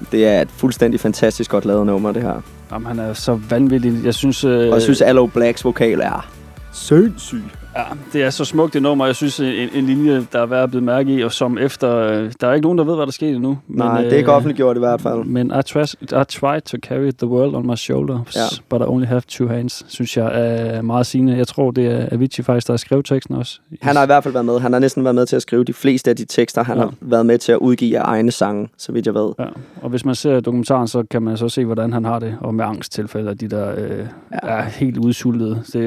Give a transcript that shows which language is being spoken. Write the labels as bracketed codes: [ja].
[da] Det er et fuldstændig fantastisk godt lavet nummer, det her. Jamen, han er så vanvittig. Jeg synes... Og jeg synes, Allo Blacks vokal er sindssyg. Ja, det er så smukt et nummer. Jeg synes, en linje, der er værd at blive mærke i, og som efter... der er ikke nogen, der ved, hvad der skete endnu. Nej, men, det er ikke offentliggjort i hvert fald. Men [en] I tried to carry the world on my shoulders, ja. But I only have two hands, [da] synes jeg er meget sigende. Jeg tror, det er Avicii faktisk, der har skrevet teksten også. Han har i hvert fald været med. Han har næsten været med til at skrive de fleste af de tekster. Han har været med til at udgive egne sange, så vidt jeg ved. Ja, og hvis man ser dokumentaren, så kan man så se, hvordan han har det, og med angsttilfælde og de der er helt udsultede.